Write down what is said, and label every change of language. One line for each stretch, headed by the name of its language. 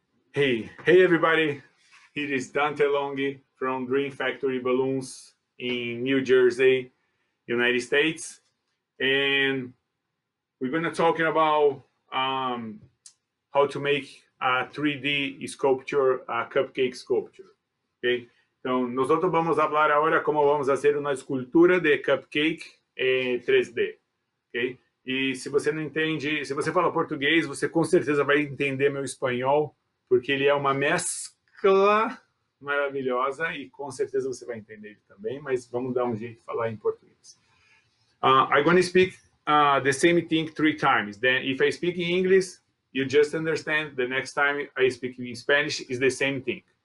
English: Hey everybody, it is Dante Longhi from Dream Factory Balloons in New Jersey, United States, and we're going to talk about how to make a 3D sculpture, a cupcake sculpture.
Portuguese: Okay, então nós vamos falar agora como vamos fazer uma escultura de cupcake em 3D. Okay. E se você não entende, se você fala português, você com certeza vai entender meu espanhol, porque ele é uma mescla maravilhosa e com certeza você vai entender ele também, mas vamos dar um jeito de falar em português.
English: I'm going to speak the same thing 3 times. Then if I speak in English, you just understand. The next time I speak in Spanish, it's the same thing.